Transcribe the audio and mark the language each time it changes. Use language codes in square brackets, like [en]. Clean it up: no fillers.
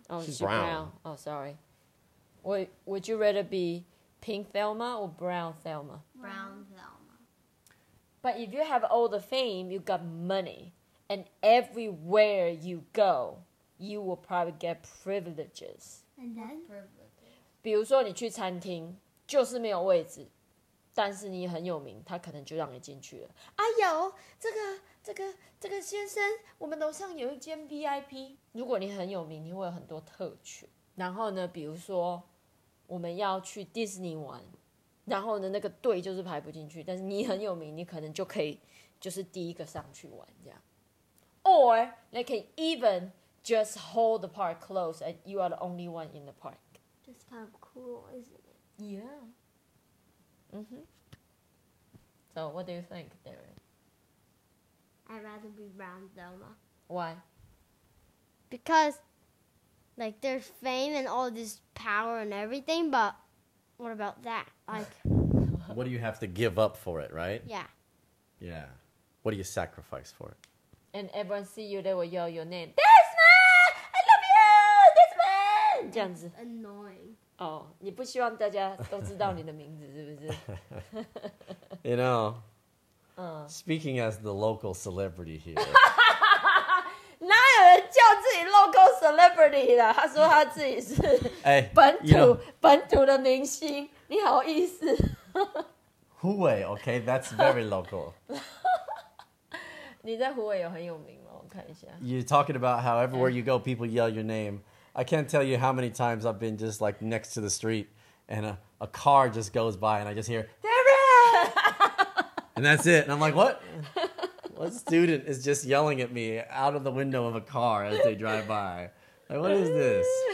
[en] Oh, she's brown. Oh, sorry. Would you rather be Pink Thelma or Brown Thelma? Brown Thelma. But if you have all the fame, you got money. And everywhere you go, you will probably get privileges. And then? Privileges. [zh] 但是你很有名，他可能就让你进去了。哎呦，这个先生，我们楼上有一间 VIP。如果你很有名，你会有很多特权。然后呢，比如说我们要去 Disney 玩，然后呢那个队就是排不进去，但是你很有名，你可能就可以就是第一个上去玩这样。 [en] Or they can even just hold the park closed and you are the only one in the park. That's kind of cool, isn't it? Yeah. Mm-hmm. So, what do you think, Darren? I'd rather be Brown Thelma. Why? Because, like, there's fame and all this power and everything, but what about that? Like, what do you have to give up for it, right? Yeah. Yeah. What do you sacrifice for it? And everyone see you, they will yell your name. This man! I love you! This man! [zh] 这样子 [en] Annoying. [zh] 哦，你不希望大家都知道你的名字是不是 [en] ？You know, speaking as the local celebrity here, [zh] 哪有人叫自己 [en] local celebrity [zh] 的？他说他自己是本土的明星，你好意思？ [en] 湖北 ，okay, that's very local. [zh] 你在湖北有很有名吗？我看一下。 [en] You're talking about how everywhere you go, people yell your name. I can't tell you how many times I've been just like next to the street and a car just goes by and I just hear, Darren! And that's it. And I'm like, what? What student is just yelling at me out of the window of a car as they drive by? Like, what is this?